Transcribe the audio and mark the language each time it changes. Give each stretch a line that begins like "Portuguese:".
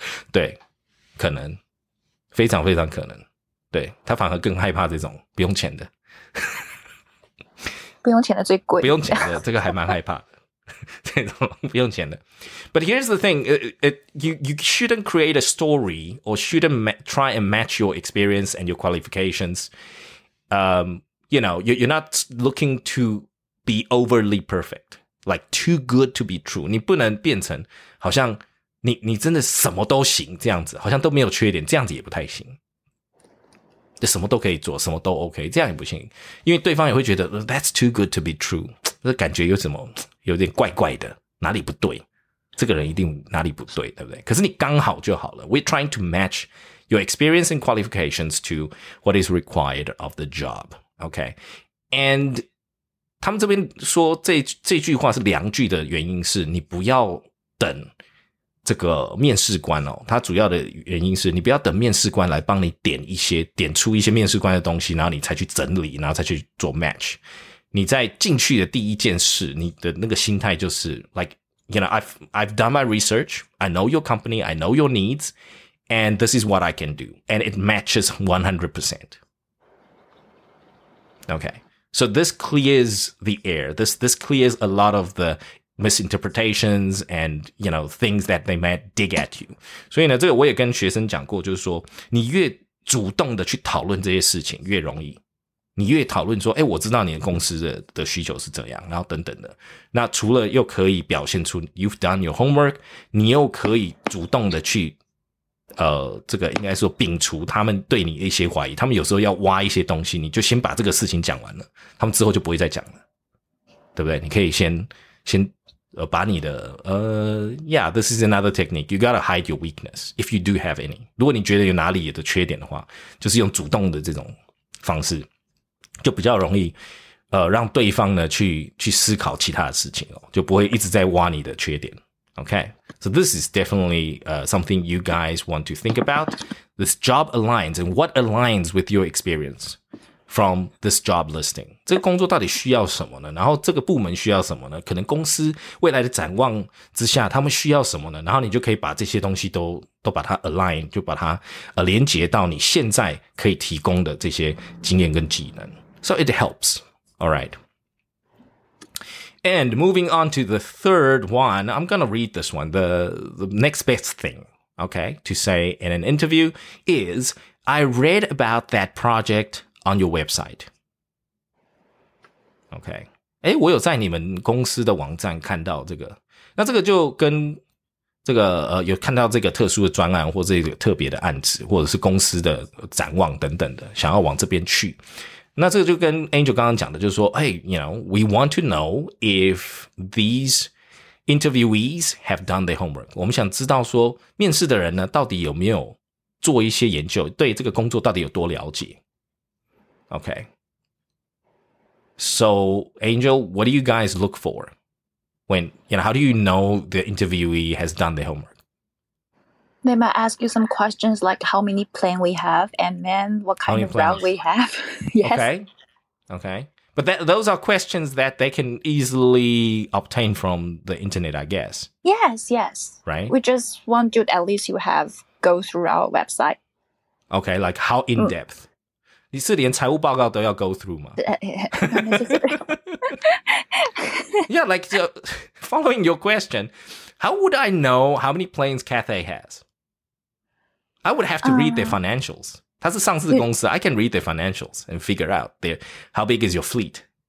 Chinese: 对，可能非常非常可能，对他反而更害怕这种不用钱的。不用钱的最贵，不用钱的这个还蛮害怕的，这种不用钱的。
English: But here's the thing, you shouldn't create a story or shouldn't try and match your experience and your qualifications. You know, you're not looking to be overly perfect, like too good to be true.
Chinese: 你不能变成好像你真的什么都行这样子，好像都没有缺点，这样子也不太行。就什么都可以做，什么都 OK， 这样也不行，因为对方也会觉得 That's too good to be true， 这感觉有什么有点怪怪的，哪里不对？这个人一定哪里不对，对不对？可是你刚好就好了。
English: We're trying to match your experience and qualifications to what is required of the job.
Chinese: OK， and 他们这边说这句话是两句的原因是你不要等这个面试官哦，他主要的原因是你不要等面试官来帮你点出一些面试官的东西，然后你才去整理，然后才去做 match。你在进去的第一件事，你的那个心态就是
English: like you know I've done my research, I know your company, I know your needs, and this is what I can do, and it matches 100%. Okay, so this clears the air. This clears a lot of the. misinterpretations and, you know, things that they might dig at you.
Chinese: 所以呢，这个我也跟学生讲过，就是说你越主动的去讨论这些事情越容易，你越讨论说，诶，我知道你的公司 的需求是这样，然后等等的，那除了又可以表现出
English: you've done your homework，
Chinese: 你又可以主动的去这个应该说摒除他们对你的一些怀疑，他们有时候要挖一些东西，你就先把这个事情讲完了，他们之后就不会再讲了，对不对？你可以先把你的
English: yeah, this is another technique. You gotta hide your weakness if you do have any.
Chinese: 如果你觉得有哪里的缺点的话，就是用主动的这种方式，就比较容易让对方呢去思考其他的事情哦，就不会一直在挖你的缺点。
English: Okay, so this is definitely something you guys want to think about. This job aligns and what aligns with your experience. From this job listing,
Chinese: 这个工作到底需要什么呢？然后这个部门需要什么呢？可能公司未来的展望之下，他们需要什么呢？然后你就可以把这些东西都把它 align， 就把它连接到你现在可以提供的这些经验跟技能。
English: So it helps. All right. And moving on to the third one, I'm gonna read this one. The next best thing, okay, to say in an interview is, I read about that project. On your website.
Chinese: Okay. 诶，我有在你们公司的网站看到这个。那这个就跟这个有看到这个特殊的专案或这个特别的案子或者是公司的展望等等的想要往这边去。那这个就跟 Angel 刚刚讲的就是说，诶，
English: you know, we want to know if these interviewees have done their homework.
Chinese: 我们想知道说面试的人呢到底有没有做一些研究，对这个工作到底有多了解。
English: Okay. So, Angel, what do you guys look for? When, you know, how do you know the interviewee has done their homework? They might ask you some questions like how many plan we have and then what kind of route we have. Yes. Okay. But those are questions that they can easily obtain from the internet, I guess. Yes. Right? We just want you to at least you have go through our website. Okay, like how in-depth?
Chinese: 你是连财务报告都要 go through 吗？
English: yeah, like following your question, how would I know how many planes Cathay has? I would have to read their financials.
Chinese: 它是上市公司、
English: 嗯、I can read their financials and figure out their, how big is your fleet、